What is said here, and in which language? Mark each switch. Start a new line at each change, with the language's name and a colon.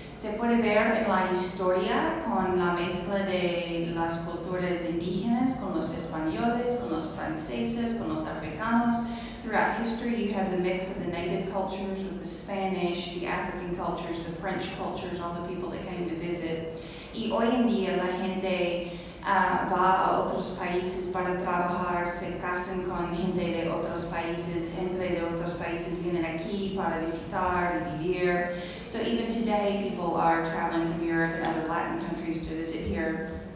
Spanish: Se puede ver en la historia con la mezcla de las culturas indígenas, con los españoles, con los franceses, con los africanos.
English: Throughout history, you have the mix of the native cultures with the Spanish, the African cultures, the French cultures, all the people that came to visit.
Spanish: Y hoy en día, la gente va a otros países para trabajar, se casan con gente de otros países, gente de otros países vienen aquí para visitar y vivir.
English: So even today, people are traveling from Europe and other Latin countries to visit here.